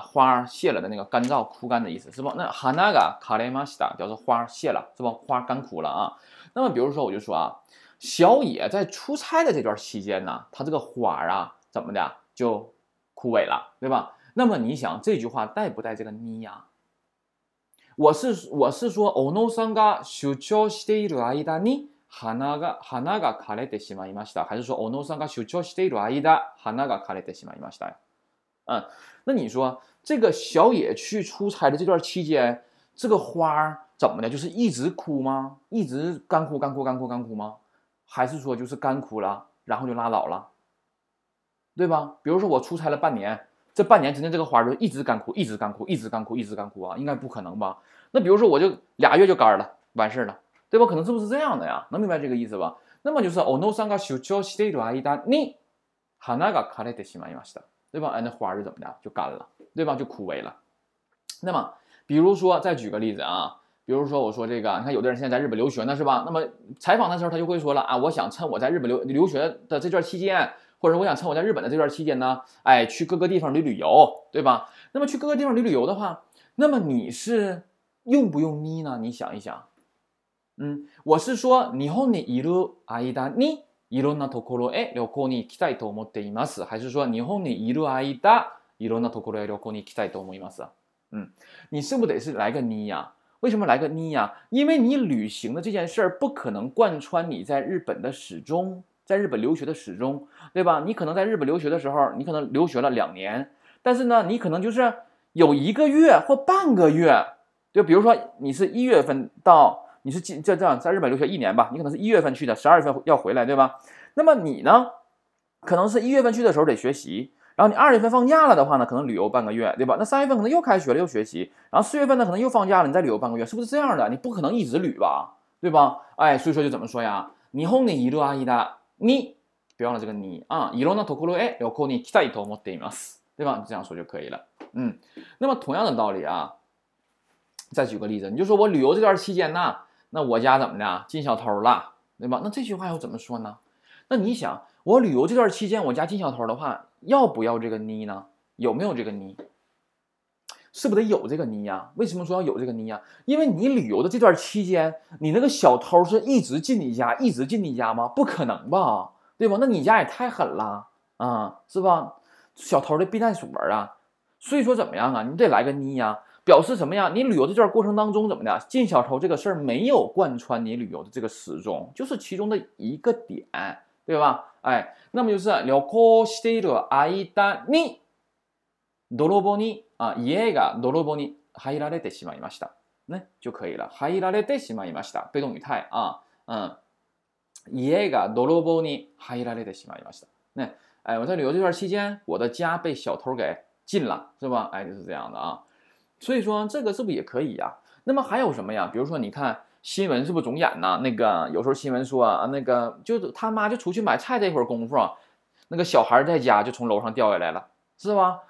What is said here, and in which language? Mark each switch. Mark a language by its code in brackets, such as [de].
[zh] 花谢了的那个干燥枯干的意思，是吧？那 [ja] 花が枯れました， [zh] 表示花谢了，是吧？花干枯了啊。那么比如说，我就说啊，小野在出差的这段期间呢，他这个花啊，怎么的就枯萎了，对吧？那么你想这句话带不带这个你呀？我是说， [ja] 小野さんが出張している間に花が枯れてしまいました。 [zh] 还是说， [ja] 小野さんが出張している間花が枯れてしまいました。 [zh] 那你说这个小野去出差的这段期间，这个花怎么的？就是一直枯吗？一直干枯、干枯、干枯、干枯吗？还是说就是干枯了，然后就拉倒了，对吧？比如说我出差了半年。这半年之内，这个花就一直干枯，一直干枯，一直干枯，一直干枯啊！应该不可能吧？那比如说，我就俩月就干了，完事了，对吧？可能是不是这样的呀？能明白这个意思吧？那么就是， [ja] 小野さんが出張している間に花が枯れてしまいました，对吧？ [zh] 那花是怎么的？就干了，对吧？就枯萎了。那么，比如说，再举个例子啊，比如说我说这个，你看有的人现在在日本留学呢，是吧？那么采访的时候，他就会说了啊，我想趁我在日本留学的这段期间。或者我想趁我在日本的这段期间呢，哎，去各个地方旅游，对吧？那么去各个地方旅游的话，那么你是用不用你呢？你想一想，我是说 [ja] 日本にいる間にいろんなところへ旅行に行きたいと思っています， [zh] 还是说 [ja] 日本にいる間いろんなところへ旅行に行きたいと思います？ [zh] 你是不得是来个你呀？为什么来个你呀？因为你旅行的这件事儿不可能贯穿你在日本的始终。在日本留学的始终，对吧？你可能在日本留学的时候，你可能留学了2年，但是呢，你可能就是有一个月或半个月，就比如说你是一月份到，你是这样在日本留学1年吧，你可能是一月份去的，12月份要回来，对吧？那么你呢，可能是一月份去的时候得学习，然后你2月份放假了的话呢，可能旅游半个月，对吧？那3月份可能又开学了又学习，然后4月份呢可能又放假了，你再旅游半个月，是不是这样的？你不可能一直旅吧，对吧？哎，所以说就怎么说呀？ [ja] 日本にいる間。 [zh] 你不要了这个你啊， [ja] いろんなところへ旅行に行きたいと思っています，对吧？ [zh] 这样说就可以了。那么同样的道理啊，再举个例子，你就说我旅游这段期间呢，那我家怎么的进小偷了，对吧？那这句话要怎么说呢？那你想，我旅游这段期间我家进小偷的话，要不要这个你呢？有没有这个你？是不得有这个你呀？为什么说要有这个你呀？因为你旅游的这段期间，你那个小偷是一直进你家，一直进你家吗？不可能吧，对吧？那你家也太狠了啊，是吧？小偷的避难所啊，所以说怎么样啊？你得来个你呀，表示什么呀？你旅游这段过程当中怎么的？进小偷这个事儿没有贯穿你旅游的这个始终，就是其中的一个点，对吧？ [ja] 哎，那么就是旅行している間に泥棒に家が泥棒に入られてしまいました。ね、 [zh] 就可以了。 [ja] 入られてしまいました。 [zh] 被动语态啊， [ja] 家が泥棒に入られてしまいました。 [zh] ね、哎，我在旅游这段期间，我的家被小偷给进了，是吧？哎，就是这样的啊。所以说这个是不是也可以呀？那么还有什么呀？比如说你看新闻是不是总演呢？那个有时候新闻说啊，那个就他妈就出去买菜这会儿功夫，那个小孩在家就从楼上掉下来了，是吧？